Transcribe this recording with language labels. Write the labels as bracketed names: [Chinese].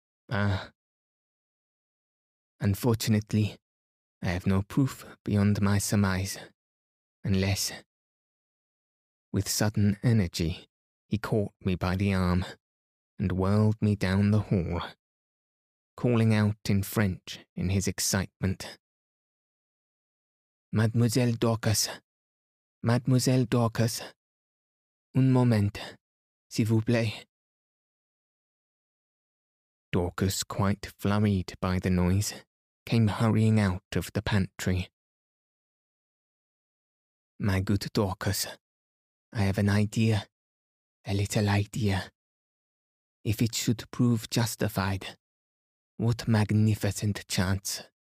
[English] Ah. Unfortunately, I have no proof beyond my surmise, unless... With sudden energy, he caught me by the arm and whirled me down the hall, calling out in French in his excitement. [French] Mademoiselle Dorcas, Mademoiselle Dorcas, un moment, s'il vous plaît. [English] Dorcas, quite flurried by the noise, came hurrying out of the pantry. My good Dorcas, I have an idea, a little idea. If it should prove justified, what magnificent chance.